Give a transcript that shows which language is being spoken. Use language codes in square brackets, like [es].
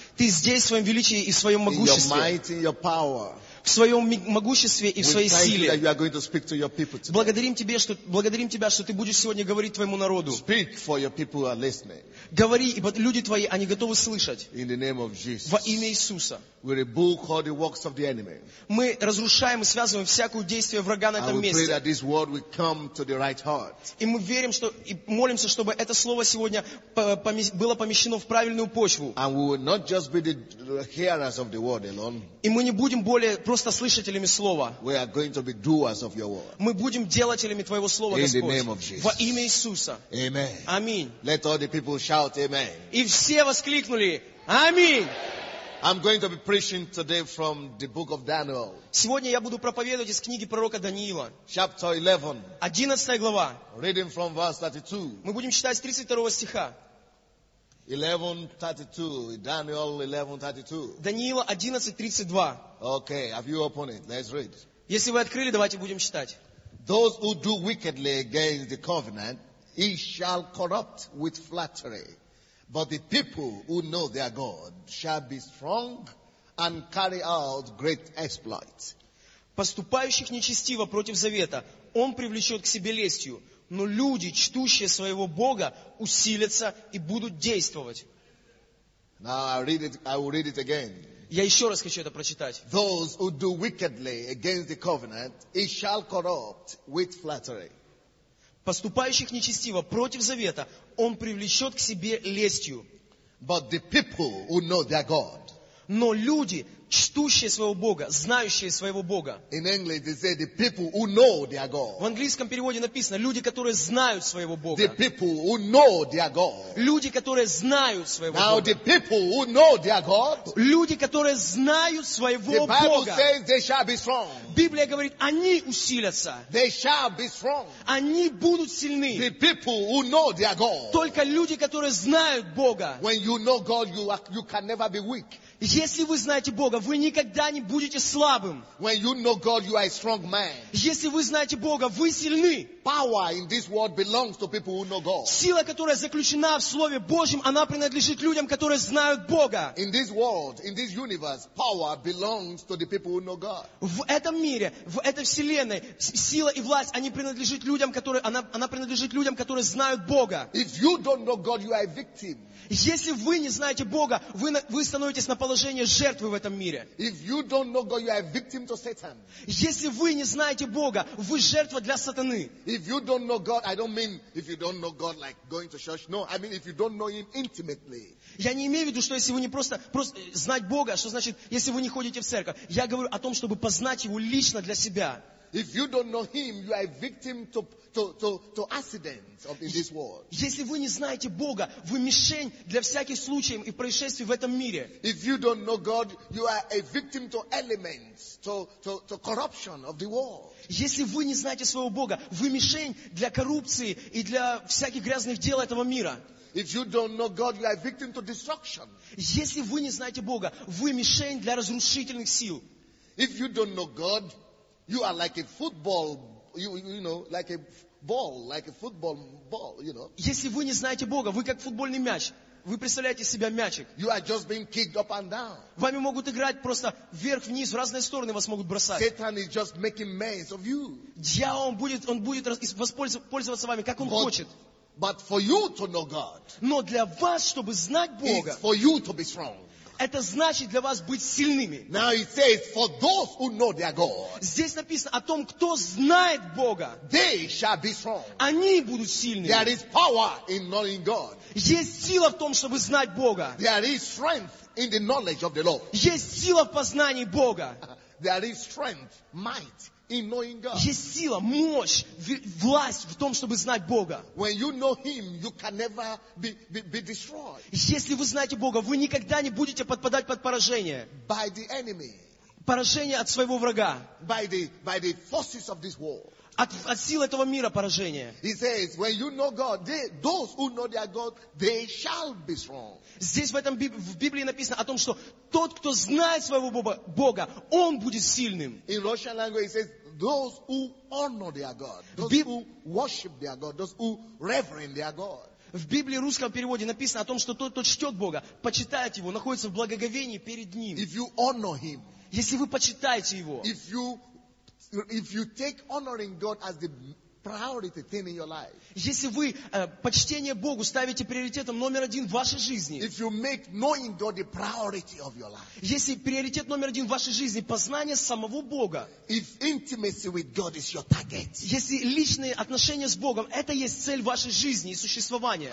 [ru] Ты здесь в Своем величии и в Своем могуществе. [en] In your mighty, in your power. [ru] В своем могуществе и в своей силе. Благодарим тебя, что ты будешь сегодня говорить твоему народу. [en] Speak for your people who are listening. [ru] Говори, ибо люди твои, они готовы слышать. [en] In the name of Jesus. [ru] Во имя Иисуса. [en] We rebuke all the works of the enemy. [ru] Мы разрушаем и связываем всякое действие врага на этом месте. [en] And we pray that this word will come to the right heart. [ru] И мы верим, что и молимся, чтобы это слово сегодня было помещено в правильную почву. [en] And we will not just be the hearers of the word alone. [ru] И мы не будем более просто слышателями слова. [en] We are going to be doers of your word. [ru] Мы будем делателями твоего слова, [en] in [ru] Господь. [en] In the name of Jesus. [ru] Во имя Иисуса. [en] Amen. [ru] Аминь. [en] Let all the people shout amen. [ru] И все воскликнули: Аминь. [en] I'm going to be preaching today from the book of Daniel. [ru] Сегодня я буду проповедовать из книги пророка Даниила. [en] Chapter 11. [ru] 11 глава. [en] Reading from verse 32. [ru] Мы будем читать с 32 стиха. [en] 11:32. Daniel 11:32. [ru] Даниила 11:32. [en] Okay, have you opened it? Let's read. [ru] Если вы открыли, давайте будем читать. [en] Those who do wickedly against the covenant, he shall corrupt with flattery. But the people who know their God shall be strong and carry out great exploits. [ru] Поступающих нечестиво против завета, он привлечет к себе лестью, но люди, чтущие своего Бога, усилятся и будут действовать. [en] Now I will read it again. [ru] Я еще раз хочу это прочитать. [en] Those who do wickedly against the covenant, he shall corrupt with flattery. [ru] Поступающих нечестиво против завета, он привлечет к себе лестью. [en] But the people who know their God. [ru] Но люди, чтущие своего Бога, знающие своего Бога. [en] In English they say the people who know their God. [ru] В английском переводе написано: люди, которые знают своего Бога. [en] The people who know their God. [ru] Люди, которые знают своего [en] Now, [ru] Бога. [en] The people who know their God. [ru] Люди, которые знают своего [en] the Bible [ru] Бога. [en] Says they shall be strong. [ru] Библия говорит: они усилятся. [en] They shall be strong. [ru] Они будут сильны. [en] The people who know their God. [ru] Только люди, которые знают Бога. [en] When you know God, you can never be weak. [ru] Если вы знаете Бога, вы никогда не будете слабым. [en] When you know God, you are a strong man. [ru] Если вы знаете Бога, вы сильны. [en] Power in this world belongs to people who know God. [ru] Сила, которая заключена в Слове Божьем, она принадлежит людям, которые знают Бога. [en] In this world, in this universe, power belongs to the people who know God. [ru] В этом мире, в этой вселенной, сила и власть, они принадлежат людям, которые она принадлежит людям, которые знают Бога. [en] If you don't know God, you are a victim. [ru] Если вы не знаете Бога, вы становитесь на положение жертвы в этом мире. [en] If you don't know God, you are a victim to Satan. [ru] Если вы не знаете Бога, вы жертва для сатаны. [en] If you don't know God, I don't mean if you don't know God like going to church. No, I mean if you don't know Him intimately. [ru] Я не имею в виду, что если вы не просто знать Бога, что значит, если вы не ходите в церковь. Я говорю о том, чтобы познать Его лично для себя. [en] If you don't know Him, you are a victim to accidents in this world. [ru] Если вы не знаете Бога, вы мишень для всяких случаев и происшествий в этом мире. [en] If you don't know God, you are a victim to elements, to corruption of the world. [ru] Если вы не знаете своего Бога, вы мишень для коррупции и для всяких грязных дел этого мира. [en] If you don't know God, you are a victim to destruction. [ru] Если вы не знаете Бога, вы мишень для разрушительных сил. [en] If you don't know God, you are like a football, like a ball, like a football ball, you know. [ru] Если вы не знаете Бога, вы как футбольный мяч. Вы представляете себя мячик. [en] You are just being kicked up and down. [ru] Вами могут играть просто вверх-вниз, в разные стороны вас могут бросать. [en] Satan is just making mess of you. [ru] Дьявол, он будет воспользоваться вами, как он хочет. [en] But for you to know God. [ru] Но для вас, чтобы знать Бога. [en] It's for you to be strong. [ru] Это значит для вас быть сильными. [en] Now it says, for those who know their God. [ru] Здесь написано о том, кто знает Бога. [en] They shall be strong. [ru] Они будут сильными. [en] There is power in knowing God. [ru] Есть сила в том, чтобы знать Бога. [en] There is strength in the knowledge of the Lord. [ru] Есть сила в познании Бога. [en] There is strength, might in knowing God. [ru] Есть сила, мощь, власть в том, чтобы знать Бога. [en] When you know Him, you can never be destroyed. [ru] Если вы знаете Бога, вы никогда не будете подпадать под поражение. [en] By the enemy. [ru] поражение от своего врага. [en] By the forces of this world. [ru] От сил этого мира поражение. [en] He says, when you know God, those who know their God, they shall be strong. [ru] Здесь в Библии написано о том, что тот, кто знает своего Бога, он будет сильным. [en] In Russian language it says, those who honor their God, those who worship their God, those who reverence their God. [ru] В Библии русском переводе написано о том, что тот, кто чтет Бога, почитает Его, находится в благоговении перед Ним. [en] If you honor him, [ru] если вы почитаете Его, если вы почтение Богу ставите приоритетом номер один в вашей жизни, [en] if you make knowing God the priority of your life, [ru] если приоритет номер один в вашей жизни познание самого Бога, [en] if intimacy with God is your target, [ru] если личные отношения с Богом это есть цель вашей жизни и существования,